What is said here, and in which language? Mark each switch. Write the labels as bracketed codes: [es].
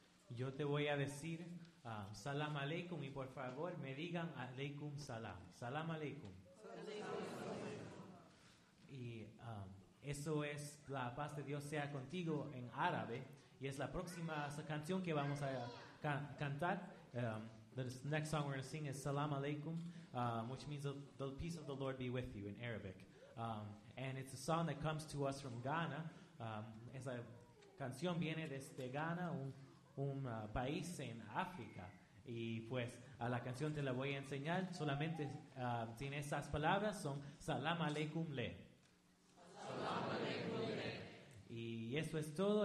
[es] Yo te voy a decir salam aleikum y por favor me digan aleikum salam. Salam aleikum. Y eso es la paz de Dios sea contigo en árabe. Y es la próxima canción que vamos a cantar. [en] The next song we're going to sing is Salam Aleikum, which means the peace of the Lord be with you in Arabic. And it's a song that comes to us from Ghana. [es] Esa canción viene desde Ghana, un país en África. Y pues a la canción te la voy a enseñar. Solamente tiene esas palabras, son Salam Aleikum Le. [ar] Salam Aleikum Le. [es] Y eso es todo.